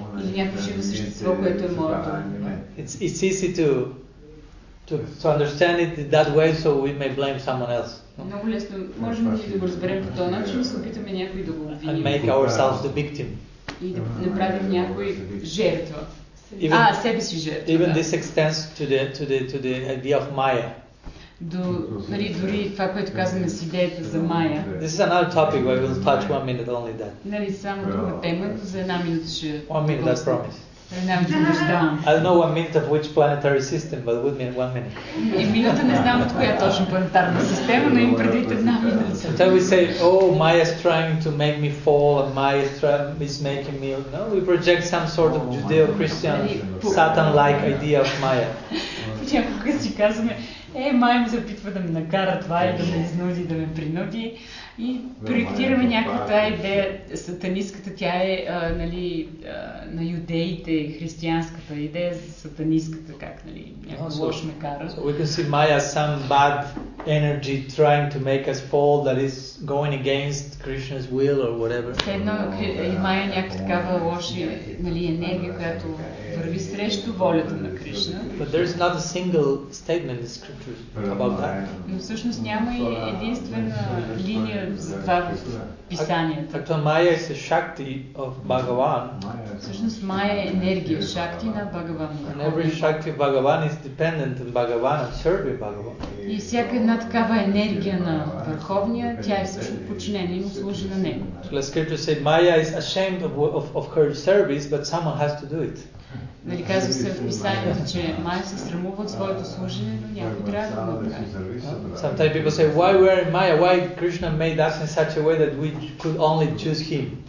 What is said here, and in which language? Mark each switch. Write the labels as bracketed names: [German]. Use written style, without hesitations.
[Bulgarian] Или някакво живо същество, което е моето. [English] It's easy to understand it that way, so we may blame someone else. [Bulgarian] Много лесно можем да го разберем по този начин, се опитаме някой да го обвиним. [English] And make ourselves the victim. [Bulgarian] И да направим някой жертва. Even, себе си жертва. [English] Even [Bulgarian] да. [English] This extends to the idea of Maya. [Bulgarian] Дори това, което казваме с идеята за Maya. [English] This is another topic where we'll touch 1 minute only that. [Bulgarian] Нали, само друга тема, за една минута ще... [English] 1 minute, I promise. I don't know 1 minute of which planetary system, but with me in 1 minute. [Bulgarian] И минута не знам от коя точно планетарна система, но им преди една минута. [English] Sometimes we say, oh, Maya is trying to make me fall, and Maya is making me... No, we project some sort of Judeo-Christian, Satan-like idea of Maya. [Bulgarian] Някога си казваме, Maya ми запитва да ме накара това и да ме изнуди, да ме принуди. И проектираме някаква тая идея, сатанистката, тя е на юдеите, християнската идея за сатанистката, как, нали, някакво лошо ме кара. [English] So we can see Maya as some bad energy trying to make us fall that is going against Krishna's will or whatever. [Bulgarian] Следно, Maya е някаква такава лоша, нали, енергия, която върви срещу волята на Кришна. [English] But there is not a single statement in the scriptures about that. [Bulgarian] Но всъщност няма и единствена линия за това в писанията. Ако Maya е шакти [English] of Bhagavan. [Bulgarian] Всъщност Maya е енергия, шакти на Бхагаван. [English] And every шакти of Bhagavan is dependent on Bhagavan and serving Bhagavan. [Bulgarian] И всяка една такава енергия на Върховния, тя е всъщност подчинена и му служи на него. [English] So the scripture said Maya is ashamed of her service, but someone has to do it. [Bulgarian] Нали, казва се в писанието, че Maya се срамува от своето служение, но някой трябва да го направи. [English] Sometimes people say, why we are in Maya? Why Krishna made us in such a way that we could only choose him?